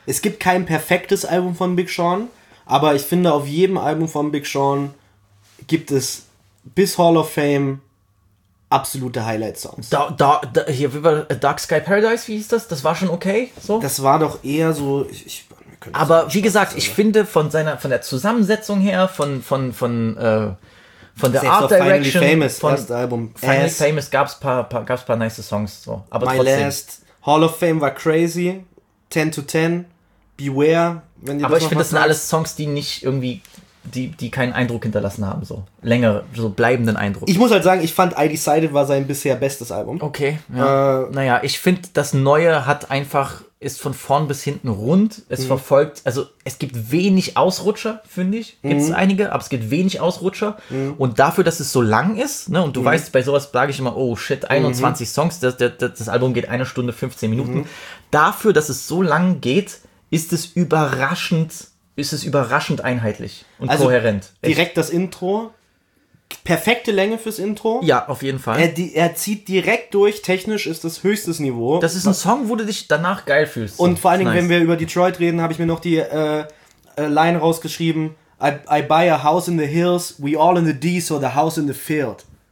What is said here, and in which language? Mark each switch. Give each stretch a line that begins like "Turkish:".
German: Es gibt kein perfektes Album von Big Sean, aber ich finde, auf jedem Album von Big Sean gibt es bis Hall of Fame absolute Highlight-Songs. Dark Sky Paradise, wie hieß das? Das war schon okay? So? Das war doch eher so... Ich aber wie Spaß gesagt, sein. Ich finde von der Zusammensetzung her, von der Art Direction... Selbst auf Finally Famous, erstes Album. Finally Famous gab's paar nice Songs. So. Aber
English: My
German: trotzdem. Last, Hall of Fame war crazy, 10 to 10, Beware. Wenn aber ich finde, das sind alles Songs, die nicht irgendwie... Die keinen Eindruck hinterlassen haben, so länger, so bleibenden Eindruck. Ich muss halt sagen, ich fand I Decided war sein bisher bestes Album. Okay, ja. Naja, ich finde, das Neue hat einfach, ist von vorn bis hinten rund. Es verfolgt, also es gibt wenig Ausrutscher, finde ich. Gibt es einige, aber es gibt wenig Ausrutscher. Mhm. Und dafür, dass es so lang ist, ne, und du weißt, bei sowas sage ich immer,
English: oh shit,
German: 21 Songs, das Album geht eine Stunde, 15 Minuten. Mhm. Dafür, dass es so lang geht, ist es überraschend einheitlich und also kohärent. Echt. Direkt das Intro. Perfekte Länge fürs Intro. Ja, auf jeden Fall. Er zieht direkt durch. Technisch ist das höchstes Niveau. Das ist ein Song, wo du dich danach geil fühlst. Und vor allen Dingen, nice. Wenn wir über Detroit reden, habe ich mir noch die Line rausgeschrieben.
English: I buy a house in the hills, we all in the D, so the house in the field.